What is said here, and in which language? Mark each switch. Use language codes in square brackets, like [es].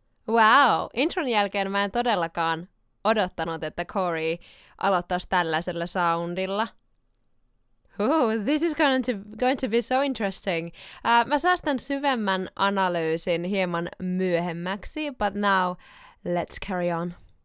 [fi] Wow, intron jälkeen mä en todellakaan odottanut, että Corey aloittaisi tällaisella soundilla. [en] Ooh, this is going to be so interesting. [fi] Mä säästän syvemmän analyysin hieman myöhemmäksi, but now let's carry on.